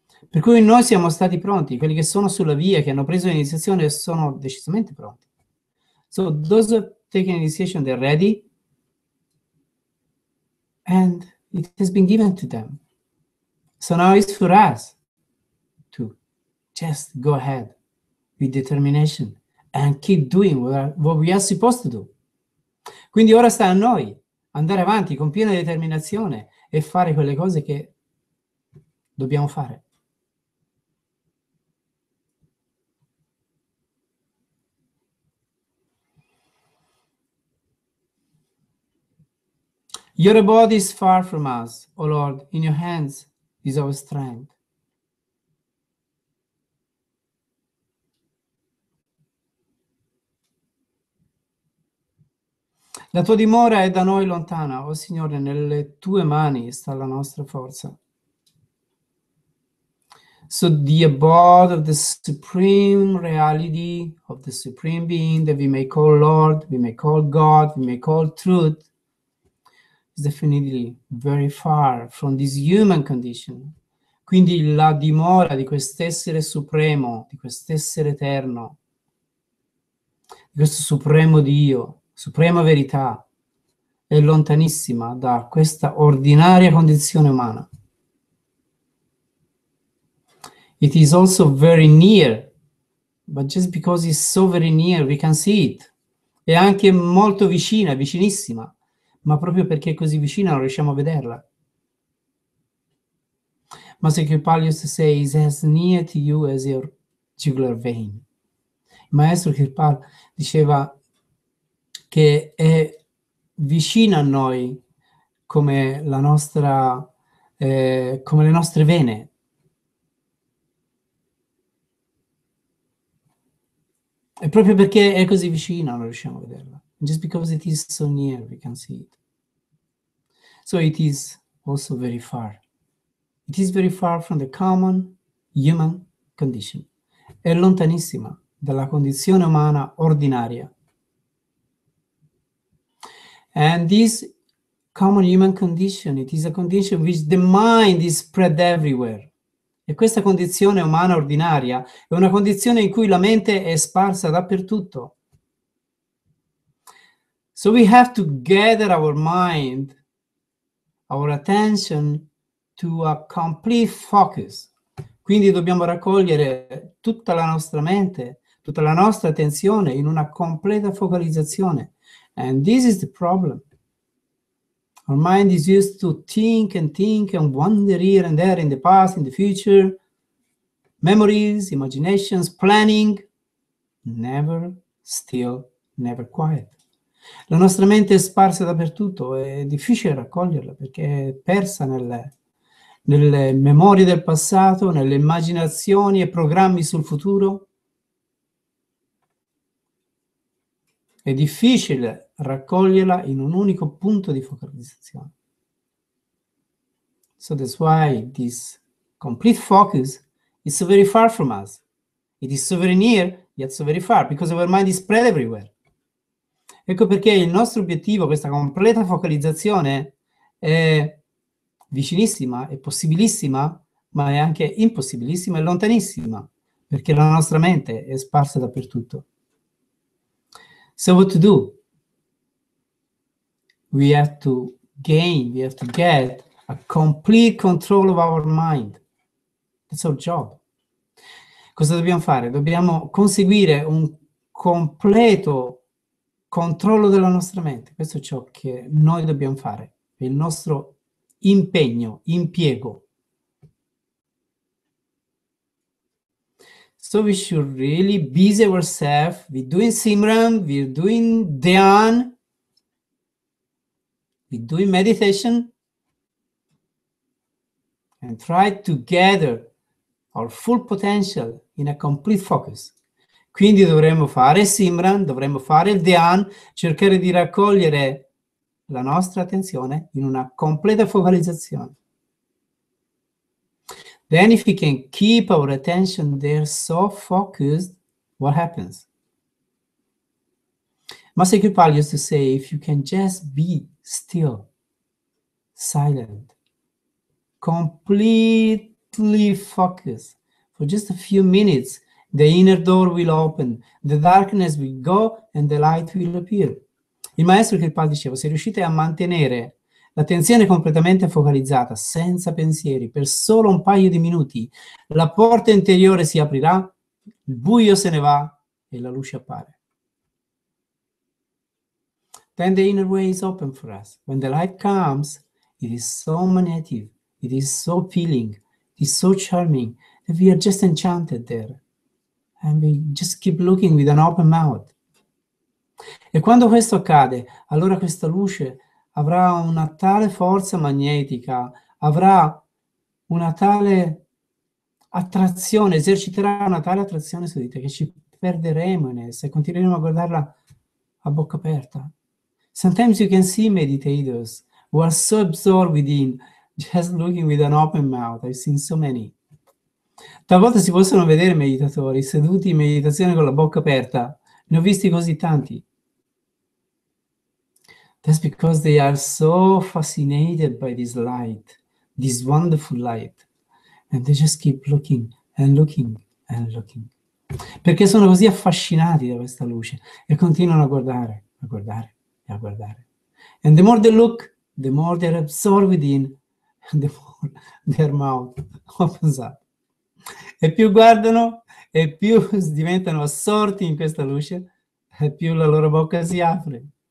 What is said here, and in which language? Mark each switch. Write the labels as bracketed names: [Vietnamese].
[Italian] Per cui noi siamo stati pronti, quelli che sono sulla via, che hanno preso l'iniziazione, sono decisamente pronti. [English] So those taking initiation, they're ready, and it has been given to them. So now it's for us to just go ahead with determination and keep doing what we are supposed to do. [Italian] Quindi ora sta a noi andare avanti con piena determinazione e fare quelle cose che dobbiamo fare. [English] Your body is far from us, O Lord. In your hands is our strength. [Italian] La tua dimora è da noi lontana, o Signore, nelle tue mani sta la nostra forza. [English] So the abode of the supreme reality, of the supreme being that we may call Lord, we may call God, we may call truth, is definitely very far from this human condition. [Italian] Quindi la dimora di quest'essere supremo, di quest'essere eterno, di questo supremo Dio, suprema verità, è lontanissima da questa ordinaria condizione umana. [English] It is also very near, but just because it's so very near, we can see it. [Italian] È anche molto vicina, vicinissima, ma proprio perché è così vicina non riusciamo a vederla. [English] Master Kirpal used to say, is as near to you as your jugular vein. [Italian] Maestro Kirpal diceva che è vicino a noi come la nostra, come le nostre vene. E proprio perché è così vicina non riusciamo a vederla. [English] Just because it is so near, we can see it. So it is also very far. It is very far from the common human condition. [Italian] È lontanissima dalla condizione umana ordinaria. [English] And this common human condition, it is a condition which the mind is spread everywhere. [Italian] E questa condizione umana ordinaria è una condizione in cui la mente è sparsa dappertutto. [English] So we have to gather our mind, our attention, to a complete focus. [Italian] Quindi dobbiamo raccogliere tutta la nostra mente, tutta la nostra attenzione in una completa focalizzazione. [English] And this is the problem. Our mind is used to think and wander here and there in the past, in the future, memories, imaginations, planning, never still, never quiet. [Italian] La nostra mente è sparsa dappertutto, è difficile raccoglierla perché è persa nelle memorie del passato, nelle immaginazioni e programmi sul futuro. È difficile raccoglierla in un unico punto di focalizzazione. [English] So that's why this complete focus is so very far from us. It is so very near, yet so very far, because our mind is spread everywhere. [Italian] Ecco perché il nostro obiettivo, questa completa focalizzazione, è vicinissima, è possibilissima, ma è anche impossibilissima e lontanissima, perché la nostra mente è sparsa dappertutto. [English] So what to do? We have to gain, we have to get a complete control of our mind. That's our job. [Italian] Cosa dobbiamo fare? Dobbiamo conseguire un completo controllo della nostra mente. Questo è ciò che noi dobbiamo fare. Il nostro impegno, impiego. [English] So we should really busy ourselves. We're doing Simran, we're doing Dhyan, we're doing meditation, and try to gather our full potential in a complete focus. [Italian] Quindi dovremmo fare Simran, dovremmo fare Dhyan, cercare di raccogliere la nostra attenzione in una completa focalizzazione. [English] Then if we can keep our attention there so focused, what happens? Master Kirpal used to say, if you can just be still, silent, completely focused, for just a few minutes, the inner door will open, the darkness will go, and the light will appear. [Italian] Il maestro Kirpal diceva, se riuscite a mantenere l'attenzione completamente focalizzata, senza pensieri, per solo un paio di minuti, la porta interiore si aprirà, il buio se ne va e la luce appare. [English] Then the inner way is open for us. When the light comes, it is so magnetic, it is so appealing, it is so charming, that we are just enchanted there. And we just keep looking with an open mouth. [Italian] E quando questo accade, allora questa luce avrà una tale forza magnetica, avrà una tale attrazione, eserciterà una tale attrazione su di te che ci perderemo in essa e continueremo a guardarla a bocca aperta. [English] Sometimes you can see meditators who are so absorbed within, just looking with an open mouth. I've seen so many. [Italian] Talvolta si possono vedere meditatori seduti in meditazione con la bocca aperta. Ne ho visti così tanti. [English] That's because they are so fascinated by this light, this wonderful light. And they just keep looking and looking and looking. [Italian] Perché sono così affascinati da questa luce e continuano a guardare, a guardare e a guardare. [English] And the more they look, the more they're absorbed in, and the more their mouth opens up. [Italian] E più guardano e più diventano assorti in questa luce e più la loro bocca si apre.